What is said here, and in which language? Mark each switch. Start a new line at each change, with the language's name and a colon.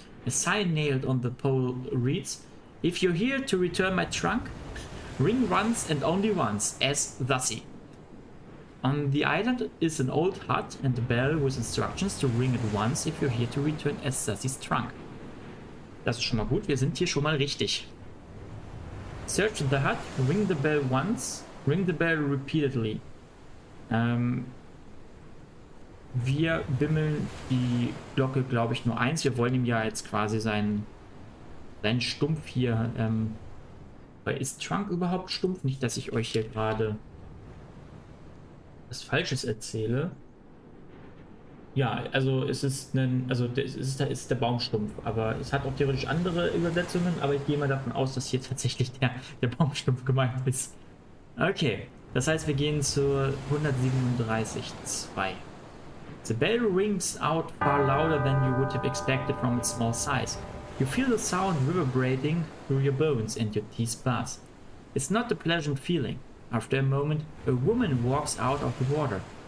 English: A sign nailed on the pole reads, "If you're here to return my trunk, ring once and only once, as thusy." On the island is an old hut and a bell with instructions to ring it once if you're here to return as thusy's trunk.
German: Das ist schon mal gut, wir sind hier schon mal richtig.
English: Search the hut, ring the bell once, ring the bell repeatedly.
German: Wir bimmeln die Glocke, glaube ich, nur eins. Wir wollen ihm ja jetzt quasi seinen Stumpf hier. Ist Trunk überhaupt Stumpf? Nicht, dass ich euch hier gerade was Falsches erzähle. Ja, also es ist ein, also ist der Baum Stumpf. Aber es hat auch theoretisch andere Übersetzungen. Aber ich gehe mal davon aus, dass hier tatsächlich der Baum Stumpf gemeint ist. Okay. Das heißt, wir gehen zur 137.2.
English: The bell rings out far louder than you would have expected from its small size. You feel the sound reverberating through your bones and your teeth buzz. It's not a pleasant feeling. After a moment, a woman walks out of the water.